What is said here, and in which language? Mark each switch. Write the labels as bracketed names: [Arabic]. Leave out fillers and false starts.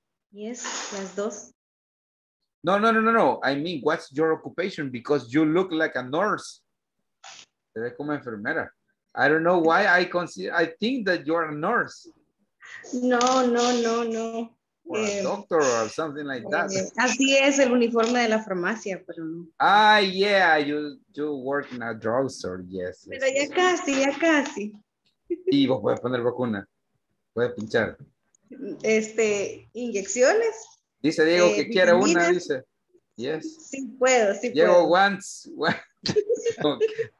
[Spanish] Yes, las dos. [English] No. I mean, what's your occupation? Because you look like a nurse. [Spanish] Te ves como enfermera. [English] I don't know why I think that you're a nurse. No. Or a doctor or something like that. [Spanish] Así es el uniforme de la farmacia, pero no. [English] Ah, yeah, you do work in a drugstore, yes. [Spanish] Pero yes, ya casi, ya casi. ¿Y vos puedes poner vacuna? ¿Puedes pinchar? ¿Inyecciones? Dice Diego que quiere una, dice. Yes. Sí puedo. [English] Diego wants. Okay.